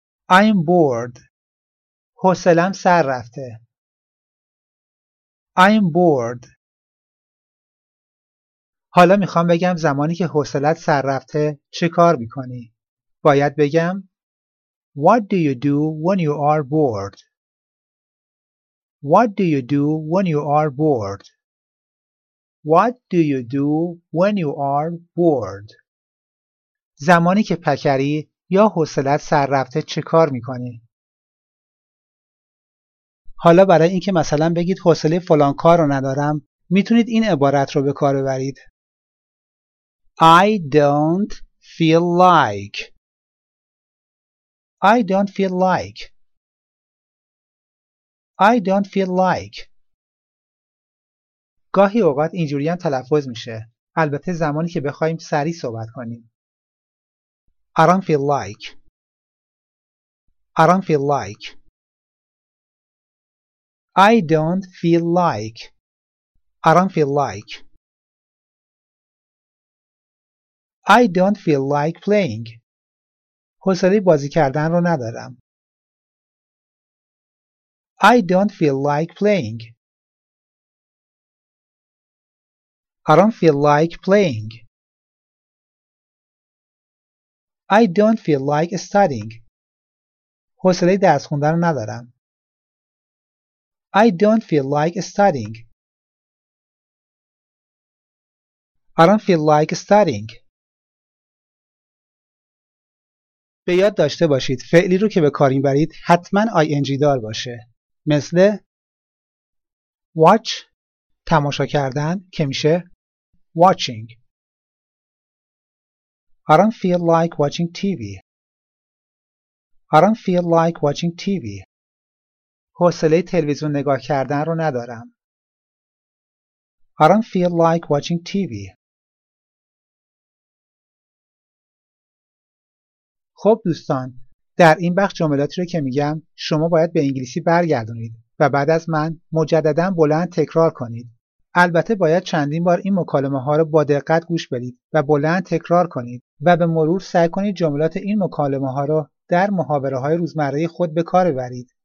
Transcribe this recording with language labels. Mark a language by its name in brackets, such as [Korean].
[English] I'm bored. [Persian] حوصله‌ام سر رفته. [English] I'm bored. [Persian] حالا میخوام بگم زمانی که حوصله‌ات سر رفته چه کار میکنی؟ باید بگم [English] What do you do when you are bored? What do you do when you are bored? What do you do when you are bored? [Persian] زمانی که پکری یا حوصله‌ات سر رفته چه کار می‌کنی؟ حالا برای اینکه مثلا بگید حوصله فلان کار رو ندارم، میتونید این عبارت رو به کار ببرید. [English] I don't feel like. I don't feel like. I don't feel like. [Persian] گاهی اوقات اینجوری هم تلفظ میشه. البته زمانی که بخوایم سریع صحبت کنیم. [English] I don't feel like. I don't feel like. I don't feel like. I don't feel like. I don't feel like playing. [Persian] حوصله بازی کردن رو ندارم. [English] I don't feel like playing. I don't feel like playing. I don't feel like studying. [Persian] حوصله درس خوندن رو ندارم. [English] I don't feel like studying. I don't feel like studying. [Persian] به یاد داشته باشید فعلی رو که به کار می‌برید حتماً ing دار باشه. مثل watch تماشا کردن که میشه watching. [English] I don't feel like watching TV. I don't feel like watching TV. [Persian] حوصله تلویزیون نگاه کردن رو ندارم. [English] I don't feel like watching TV. [Persian] خب دوستان در این بخش جملاتی رو که میگم شما باید به انگلیسی برگردونید و بعد از من مجدداً بلند تکرار کنید. البته باید چندین بار این مکالمه ها رو با دقت گوش بدید و بلند تکرار کنید و به مرور سعی کنید جملات این مکالمه ها رو در محاوره های روزمره خود به کار ببرید.